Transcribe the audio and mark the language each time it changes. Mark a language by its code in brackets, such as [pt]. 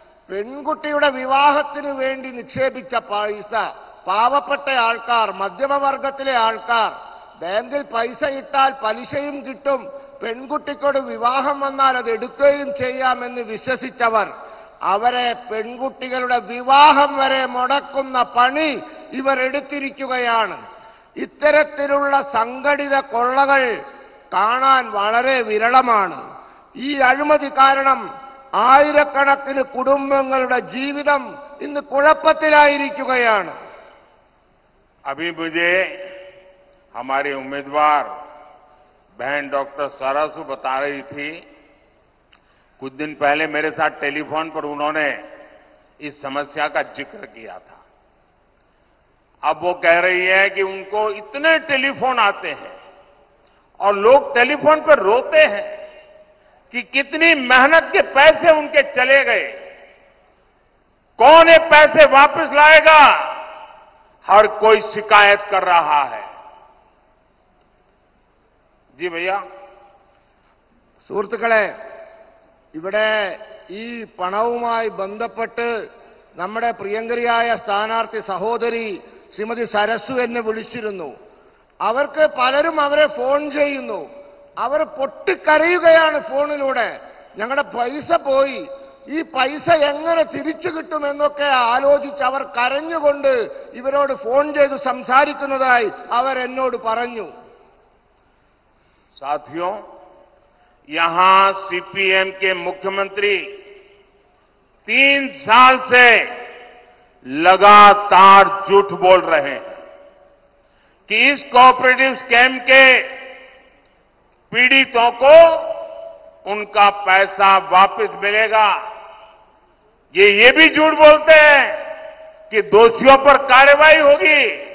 [ml] പെൺകുട്ടിയുടെ വിവാഹത്തിന് വേണ്ടി നിക്ഷേപിച്ച പൈസ പാവപ്പെട്ട ആൾക്കാർ, മധ്യമവർഗത്തിലെ ആൾക്കാർ, ബാങ്കിൽ പൈസ ഇട്ടാൽ പലിശയും കിട്ടും, പെൺകുട്ടിക്കോട് വിവാഹം വന്നാൽ അത് എടുക്കുകയും ചെയ്യാമെന്ന് വിശ്വസിച്ചവർ അവരെ പെൺകുട്ടികളുടെ വിവാഹം വരെ മുടക്കുന്ന പണി ഇവർ എടുത്തിരിക്കുകയാണ്. ഇത്തരത്തിലുള്ള സംഘടിത കൊള്ളകൾ കാണാൻ വളരെ വിരളമാണ് ഈ അഴിമതി കാരണം ആയിരക്കണക്കിന് കുടുംബങ്ങളുടെ ജീവിതം ഇന്ന് കുഴപ്പത്തിലായിരിക്കുകയാണ് [hi] अभी मुझे हमारी उम्मीदवार बहन डॉक्टर सरसु बता रही थी कुछ दिन पहले मेरे साथ टेलीफोन पर उन्होंने इस समस्या का जिक्र किया था अब वो कह रही है कि उनको इतने टेलीफोन आते हैं और लोग टेलीफोन पर रोते हैं कि कितनी मेहनत के पैसे उनके चले गए कौन ये पैसे वापस लाएगा हर कोई शिकायत कर रहा है जी भैया [ml] സുഹൃത്തുക്കളെ ഇവിടെ ഈ പണവുമായി ബന്ധപ്പെട്ട് നമ്മുടെ പ്രിയങ്കരിയായ സ്ഥാനാർത്ഥി സഹോദരി ശ്രീമതി സരസ്വ എന്നെ വിളിച്ചിരുന്നു അവർക്ക് പലരും അവരെ ഫോൺ ചെയ്യുന്നു അവർ പൊട്ടിക്കരയുകയാണ് ഫോണിലൂടെ ഞങ്ങളുടെ പൈസ പോയി ഈ പൈസ എങ്ങനെ തിരിച്ചു കിട്ടുമെന്നൊക്കെ ആലോചിച്ച് അവർ കരഞ്ഞുകൊണ്ട് ഇവരോട് ഫോൺ ചെയ്തു സംസാരിക്കുന്നതായി അവർ എന്നോട് പറഞ്ഞു [hi] സാധ്യോ यहां सीपीएम के मुख्यमंत्री तीन साल से लगातार झूठ बोल रहे हैं कि इस कोऑपरेटिव स्कैम के पीड़ितों को उनका पैसा वापस मिलेगा ये भी झूठ बोलते हैं कि दोषियों पर कार्रवाई होगी